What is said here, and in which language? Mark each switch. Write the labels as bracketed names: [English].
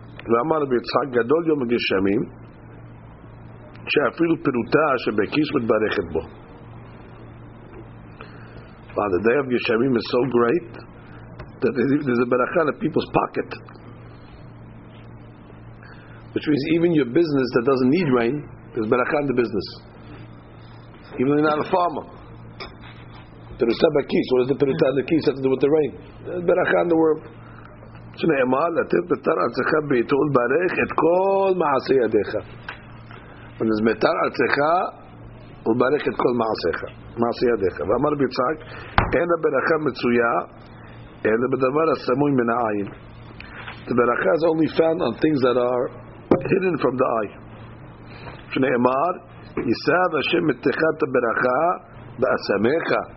[Hebrew] ואמר ביצחק גדול יום הגשמים שאפילו פירוטה שבכיס מתברכת בו. [English] But the day of גשמים is so great that there's a ברכה in a people's pocket, which means even your business that doesn't need rain, there's ברכה in the business. Even if you're not a farmer, [Hebrew] פירוטה בכיס, [English] what is the פירוטה in the keys have to do with the rain? There's ברכה in the world. [Hebrew] שנאמר לתת מטר ארצך בעתו ולברך את כל מעשי ידיך. אז מטר ארצך ולברך את כל מעשיך, מעשי ידיך. ואמר ביצחק, אין הברכה מצויה אלא בדבר הסמוי מן העין. [English] The ברכה is only found on things that are hidden from the eye. [Hebrew] שנאמר, יישב השם מתך את הברכה באסמך.